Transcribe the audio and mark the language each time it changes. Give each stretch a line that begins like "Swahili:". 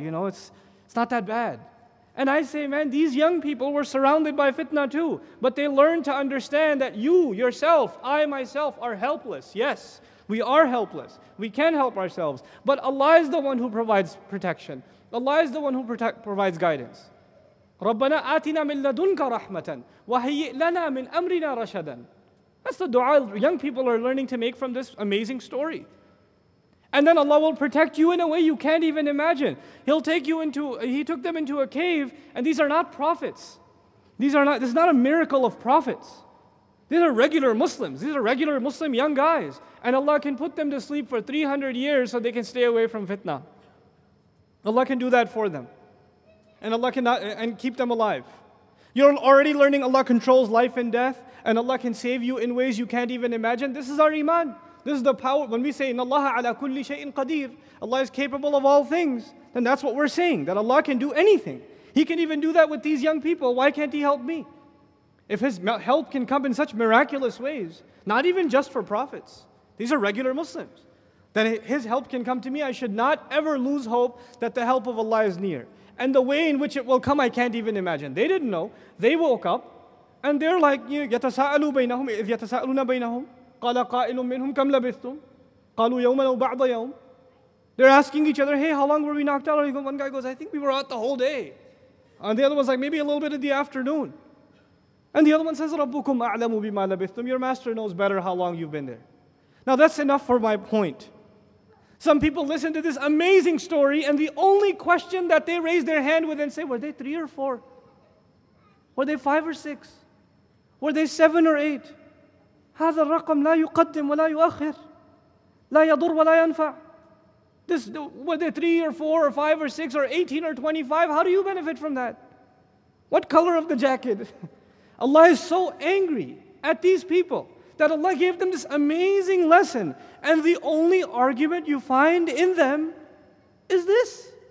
English: You know, it's not that bad. And I say, man, these young people were surrounded by fitna too. But they learned to understand that you, yourself, I myself are helpless. Yes, we are helpless. We can help ourselves. But Allah is the one who provides protection. Allah is the one who provides guidance.
Arabic: ربنا آتنا من لدنك رحمة وهيئ لنا من أمرنا رشدا.
English: That's the dua young people are learning to make from this amazing story. And then Allah will protect you in a way you can't even imagine. He'll take you into, He took them into a cave, and these are not prophets. This is not a miracle of prophets. These are regular Muslims. These are regular Muslim young guys. And Allah can put them to sleep for 300 years so they can stay away from fitna. Allah can do that for them. And Allah can keep them alive. You're already learning Allah controls life and death, and Allah can save you in ways you can't even imagine. This is our iman. This is the power. When we say,
Arabic: إِنَّ اللَّهَ عَلَى كُلِّ شَيْءٍ قَدِيرٍ,
English: Allah is capable of all things, then that's what we're saying, that Allah can do anything. He can even do that with these young people. Why can't He help me? If His help can come in such miraculous ways, not even just for prophets, these are regular Muslims, then His help can come to me. I should not ever lose hope that the help of Allah is near. And the way in which it will come, I can't even imagine. They didn't know. They woke up, and they're like,
Arabic: يَتَسَاءَلُوا بَيْنَهُمْ إِذْ يَتَسَاءَلُونَ بَيْنَهُمْ قَالَ قَائِلٌ مِّنْهُمْ كَمْ لَبِثْتُمْ قَالُوا يَوْمًا أَوْ بَعْضَ يَوْمٍ.
English: They're asking each other, hey, how long were we knocked out? One guy goes, I think we were out the whole day. And the other one's like, maybe a little bit of the afternoon. And the other one says,
Arabic: رَبُّكُمْ أَعْلَمُ بِمَا لَبِثْتُمْ.
English: Your master knows better how long you've been there. Now that's enough for my point. Some people listen to this amazing story, and the only question that they raise their hand with and say, were they 3 or 4? Were they 5 or 6? Were they 7 or 8?
Arabic: هذا الرقم لا يقدم ولا يؤخر لا يضر ولا ينفع.
English: This, were they 3 or 4 or 5 or 6 or 18 or 25? How do you benefit from that? What color of the jacket? Allah is so angry at these people that Allah gave them this amazing lesson, and the only argument you find in them is this.